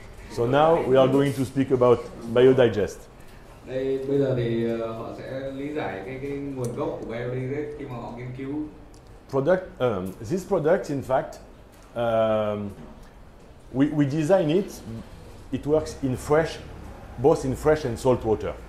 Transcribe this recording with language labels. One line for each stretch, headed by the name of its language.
English: So now we are going to speak about biodigest.
Vietnamese: Đây bây giờ thì họ sẽ lý giải cái nguồn gốc của biodigest khi mà họ nghiên cứu.
English: Product, this product, in fact, we design it. It works in fresh, both in fresh and salt water.